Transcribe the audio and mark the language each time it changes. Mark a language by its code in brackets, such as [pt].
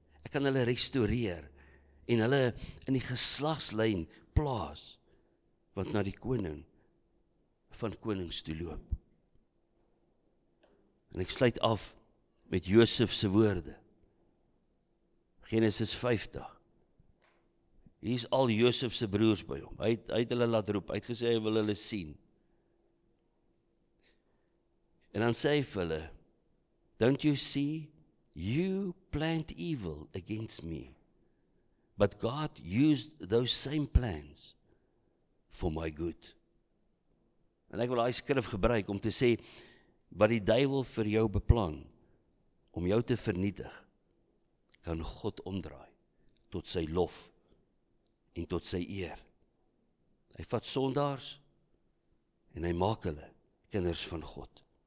[af] Ek kan hulle restoreer en hulle in die geslagslyn plaas wat na die koning van konings toe loop. En ek sluit af met Josef se woorde. Genesis 50. Hier is al Josef se broers by hom. Hy het hulle laat roep. Hy het gesê hy wil hulle sien. En dan sê hy vir hulle, [en] don't you see, you planned evil against me, but God used those same plans for my good. [af] En ek wil hy skrif gebruik om te sê, wat die duivel vir jou beplan, om jou te vernietig, kan God omdraai tot sy lof en tot sy eer. Hy vat sondaars en hy maak hulle kinders van God.